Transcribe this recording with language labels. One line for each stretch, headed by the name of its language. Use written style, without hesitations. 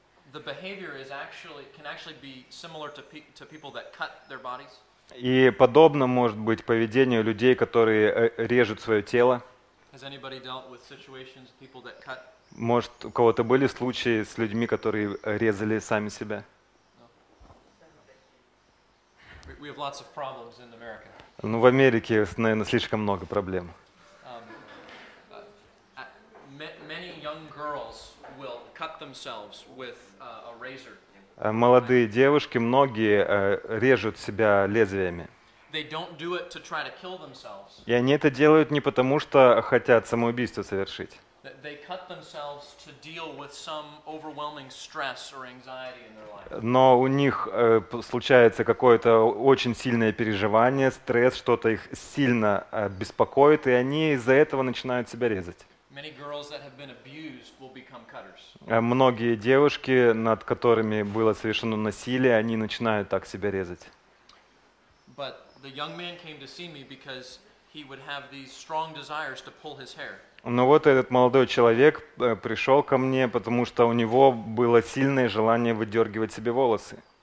English: The behavior is actually can actually be similar to people that cut their bodies.
Russian: И подобно может быть поведению людей, которые режут свое тело.
English: Has anybody dealt with situations with people that cut?
Russian: Может, у кого-то были случаи с людьми, которые резали сами себя?
English: No. We have lots of problems in America.
Russian: Ну, в Америке, наверное, слишком много проблем.
English: Many young girls will cut themselves with a razor.
Russian: Молодые девушки, многие режут себя лезвиями.
English: They don't do it to try to kill themselves.
Russian: И они это делают не потому, что хотят самоубийство совершить.
English: They cut themselves to deal with some overwhelming stress or anxiety in their life.
Russian: Но у них случается какое-то очень сильное переживание, стресс, что-то их сильно беспокоит, и они из-за этого начинают себя резать.
English: Many girls that have been abused will become cutters.
Russian: Многие девушки, над которыми было совершено насилие, они начинают так себя резать.
English: But the young man came to see me because he would have these strong desires to pull his hair.
Russian: Но вот этот молодой человек пришел ко мне, потому что у него было сильное желание выдергивать себе волосы.